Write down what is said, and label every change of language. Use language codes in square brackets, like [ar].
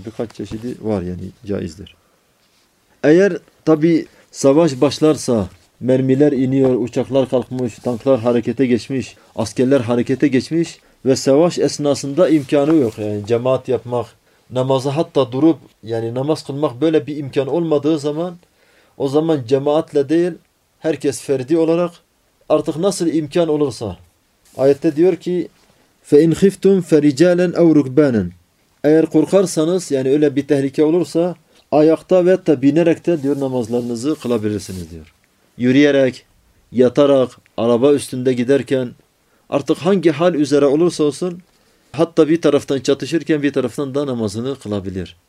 [tr] Birkaç çeşidi var yani caizdir. Eğer tabi savaş başlarsa, mermiler iniyor, uçaklar kalkmış, tanklar harekete geçmiş, askerler harekete geçmiş ve savaş esnasında imkanı yok. Yani cemaat yapmak, namaza hatta durup yani namaz kılmak böyle bir imkan olmadığı zaman, o zaman cemaatle değil, herkes ferdi olarak artık nasıl imkan olursa. Ayette diyor ki, [ar] فَاِنْ خِفْتُمْ فَرِجَالًا اَوْ رُكْبَانًا. [tr] Eğer korkarsanız yani öyle bir tehlike olursa, ayakta ve hatta binerek de diyor namazlarınızı kılabilirsiniz diyor. Yürüyerek, yatarak, araba üstünde giderken, artık hangi hal üzere olursa olsun, hatta bir taraftan çatışırken bir taraftan da namazını kılabilir.